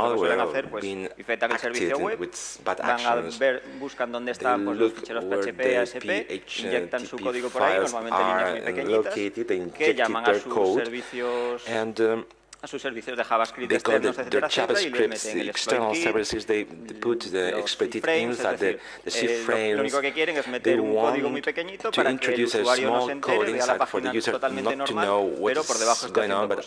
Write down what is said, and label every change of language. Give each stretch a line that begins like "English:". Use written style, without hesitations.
Spanish: Lo que suelen hacer, pues infectan el servicio web, van a ver, buscan dónde están los ficheros PHP, ASP, inyectan su código por ahí, normalmente líneas muy pequeñitas, que llaman a sus servicios a sus servicios de JavaScript externos, etcétera, etcétera, y le meten el
English: external services, they put the exploit inside the C frames.
Spanish: Lo único que quieren es meter un código muy pequeñito para que el usuario no se entere, vea la página totalmente normal, pero por debajo está haciendo cosas.